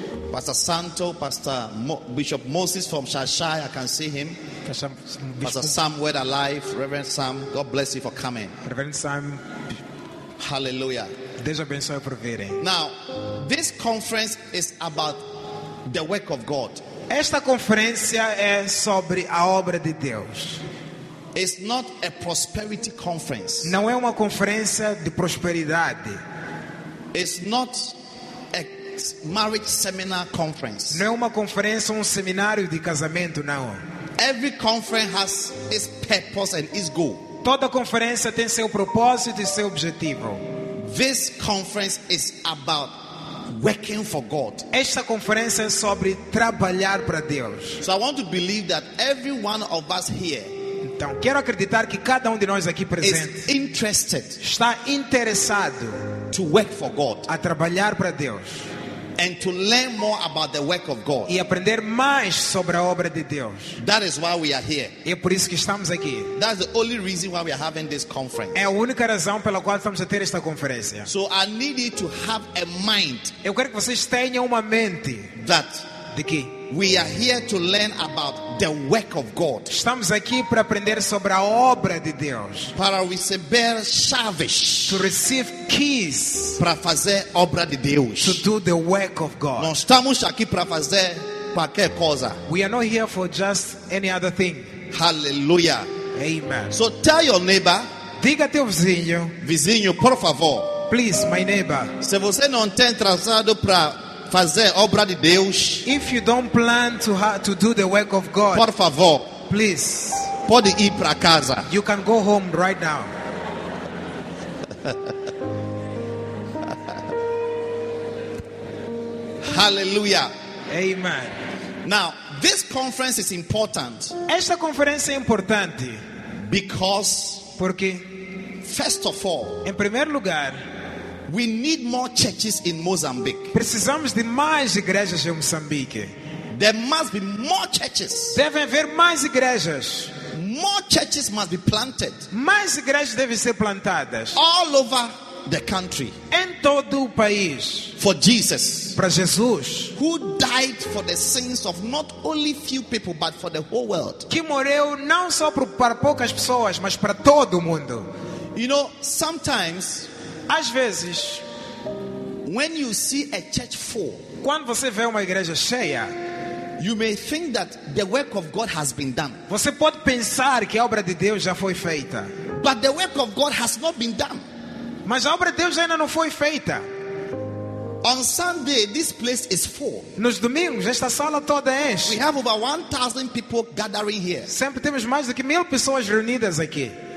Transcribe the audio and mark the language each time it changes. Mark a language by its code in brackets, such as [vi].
[en] Pastor Santo, Pastor Bishop Moses from Shashai, I can see him. Pastor Samuel alive, Reverend Sam, God bless you for coming. Reverend Sam, hallelujah. [pt] Deus abençoe por virem. [en] Now, this conference is about the work of God. [pt] Esta conferência é sobre a obra de Deus. [en] It's not a prosperity conference. [pt] Não é uma conferência de prosperidade. [en] It's not a marriage seminar conference. [pt] Não é uma conferência, um seminário de casamento, não. [en] Every conference has its purpose and its goal. [pt] Toda conferência tem seu propósito e seu objetivo. [en] This conference is about working for God. [pt] Esta conferência é sobre trabalhar para Deus. [en] So I want to believe that every one of us here, [pt] então, quero acreditar que cada de nós aqui presente [en] is interested, [pt] está interessado, [en] to work for God, [pt] a trabalhar para Deus, [en] and to learn more about the work of God, [pt] e aprender mais sobre a obra de Deus. [en] That is why we are here. [pt] É por isso que estamos aqui. [en] That's the only reason why we are having this conference. [pt] É a única razão pela qual estamos a ter esta conferência. [en] So I need you to have a mind. [pt] Eu quero que vocês tenham uma mente. [en] That [pt] de que [en] we are here to learn about the work of God. [pt] Estamos aqui para aprender sobre a obra de Deus. Para receber chaves. [en] To receive keys. [pt] Para fazer obra de Deus. [en] To do the work of God. [pt] Não estamos aqui para fazer qualquer coisa. [en] We are not here for just any other thing. Hallelujah. Amen. So tell your neighbor. [pt] Diga teu vizinho. Vizinho, por favor. [en] Please, my neighbor. [pt] Se você não tem traçado para fazer obra de Deus, [en] if you don't plan to do the work of God, [pt] por favor, [en] please, [pt] pode ir para casa. [en] You can go home right now. Hallelujah. Amen. Now, this conference is important. [pt] Esta conferência é importante. [en] Because, [pt] porque, [en] first of all, [pt] em primeiro lugar, [en] we need more churches in Mozambique. [pt] Precisamos de mais igrejas em Moçambique. [en] There must be more churches. [pt] Devem haver mais igrejas. [en] More churches must be planted. [pt] Mais igrejas devem ser plantadas. [en] All over the country, [pt] em todo o país, [en] for Jesus, [pt] para Jesus, [en] who died for the sins of not only few people but for the whole world, [pt] que morreu não só para poucas pessoas, mas para todo o mundo. [en] You know, sometimes, [pt] às vezes, [en] when you see a church full, [pt] quando você vê uma igreja cheia, [en] you may think that the work of God has been done. [pt] Você pode pensar que a obra de Deus já foi feita. [en] But the work of God has not been done. [pt] Mas a obra de Deus ainda não foi feita. [en] On Sunday, this place is full. [pt] Nos domingos, esta sala toda enche. [en] We have over 1,000 people gathering here. [pt] Sempre temos mais do que 1,000 pessoas reunidas aqui.